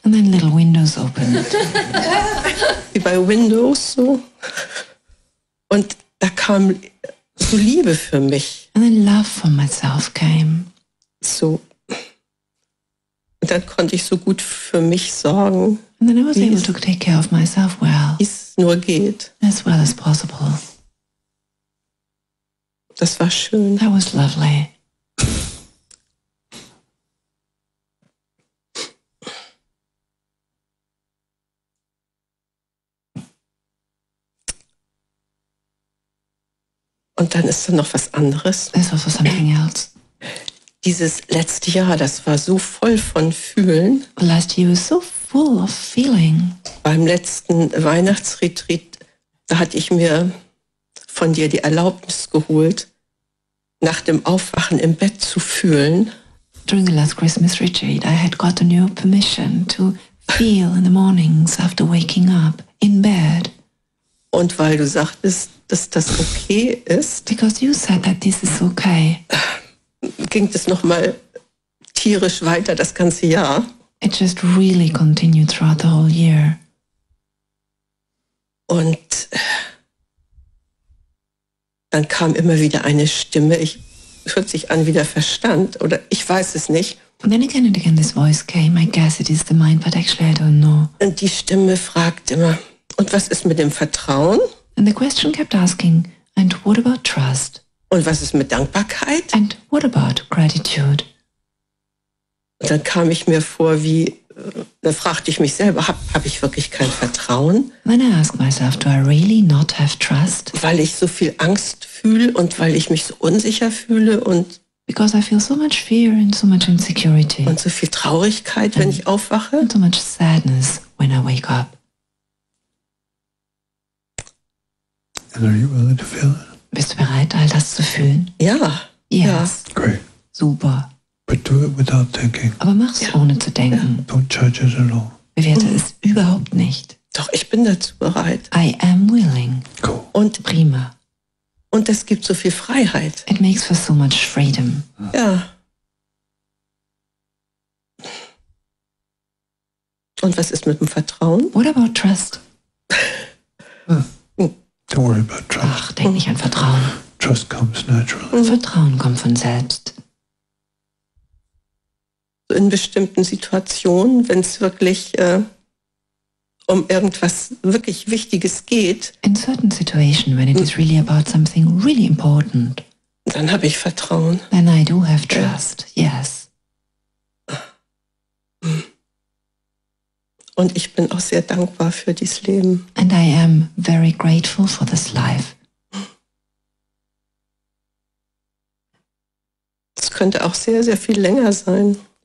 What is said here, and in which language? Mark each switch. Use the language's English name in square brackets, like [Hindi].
[English] And then little windows opened. [German] Wie bei Windows so. Und da kam so Liebe für mich. [English] And then love for myself came. So. [German] Und dann konnte ich so gut für mich sorgen. [English] And then I was able to take care of myself well. [German] Wie es nur geht. [English] As well as possible. [German] Das war schön. [English] That was lovely. [German] Und dann ist da noch was anderes. [English] This was for something else. [German] Dieses letzte Jahr, das war so voll von Fühlen. [English] The last year was so full of feeling. [German] Beim letzten Weihnachtsretreat, da hatte ich mir von dir die Erlaubnis geholt, nach dem Aufwachen im Bett zu fühlen. [English] During the last Christmas retreat, I had gotten your permission to feel in the mornings after waking up in bed. [German] Und weil du sagtest, dass das okay ist. [English] Because you said that this is okay. [German] Ging das noch mal tierisch weiter das ganze Jahr. [English] It just really continued throughout the whole year. [German] Und dann kam immer wieder eine Stimme. Ich hört sich an wie der Verstand oder ich weiß es nicht. [English] And then again and again this voice came. I guess it is the mind, but actually I don't know. [German] Und die Stimme fragt immer, und was ist mit dem Vertrauen? [English] And the question kept asking, and what about trust? [German] Und was ist mit Dankbarkeit? [English] And what about gratitude? [German] Und dann kam ich mir vor wie, dann fragte ich mich selber, hab ich wirklich kein Vertrauen? [English] When I ask myself, do I really not have trust? [German] Weil ich so viel Angst fühle und weil ich mich so unsicher fühle und... [English] Because I feel so much fear and so much insecurity. [German] Und so viel Traurigkeit, wenn ich aufwache. [English] And so much sadness when I wake up. And are you willing to feel it? [German] Bist du bereit, all das zu fühlen? Ja. [English] Yes. [German] Ja. [English] Great. [German] Super. [English] But do it without thinking. [German] Aber mach's ohne zu denken. [English] Yeah. Don't judge it at all. [German] Bewerte es überhaupt nicht. Doch, ich bin dazu bereit. [English] I am willing. Cool. [German] Und prima. Und es gibt so viel Freiheit. [English] It makes for so much freedom. [German] Ja. Und was ist mit dem Vertrauen? [English] What about trust? Don't worry about trust. [German] Ach, denk nicht an Vertrauen. [English] Trust comes naturally. [German] Und Vertrauen kommt von selbst. In bestimmten Situationen, wenn es wirklich um irgendwas wirklich Wichtiges geht. [English] In certain situations, when it is really about something really important. [German] Dann habe ich Vertrauen. [English] Then I do have trust, yes. [German] Und ich bin auch sehr dankbar für dieses Leben. [English] And I am very grateful for this life. [German] Es könnte auch sehr, sehr viel länger sein.